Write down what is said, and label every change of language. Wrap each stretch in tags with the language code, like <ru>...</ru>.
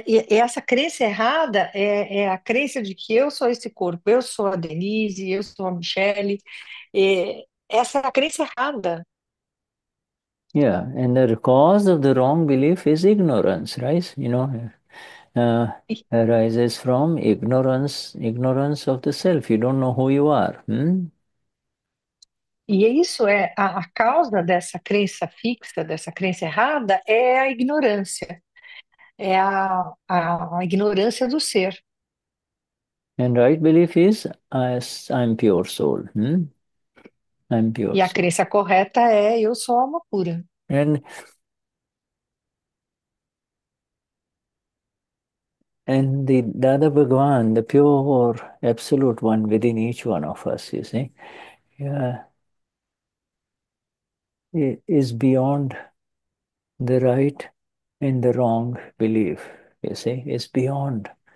<pt>essa crença errada é a crença de que eu sou esse corpo, eu sou a Denise, eu sou a Michelle. Essa é a crença errada.</pt> <en>And the cause of the wrong belief is ignorance, right? You know, arises from ignorance of the self. You don't know who you are.</en> <pt>E isso é a causa dessa crença fixa, dessa crença errada, é a ignorância. É a ignorância do ser.</pt> <en>And right belief is, as I'm pure soul. I'm pure</en> <pt>E a</pt> <en>soul.</en> <pt>crença correta é eu sou alma pura.</pt> <en>And the Dada Bhagwan, the pure absolute one within each one of us, you see, is beyond the right and the wrong belief, you see, it's beyond.</en>